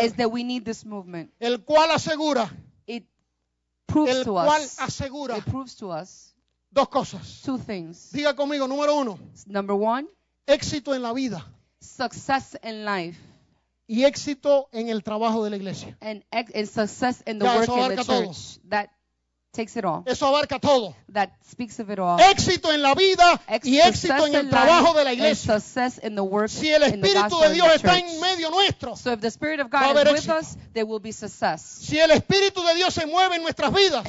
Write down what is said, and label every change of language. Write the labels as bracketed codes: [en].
[en] is that we need this movement. [es] El cual asegura, [en] it proves [es] el [en] to [es] cual [en] us. [es] Asegura [en] it proves to us [es] dos cosas. [en] Two things. [es] Diga conmigo, número uno. [en] Number one. [es] Éxito en la vida. [en] Success in life. [es] Y éxito en el trabajo de la iglesia. [en] And success in the work of the church. That takes it all. [es] Eso abarca todo. [en] That speaks of it all. [es] Éxito en la vida y éxito en el trabajo de la iglesia. [en] Success in the work. [es] Si el Espíritu de Dios está en medio nuestro, [en] so if the Spirit of God is with us, there will be success. [es] Si el Espíritu de Dios se mueve en nuestras vidas,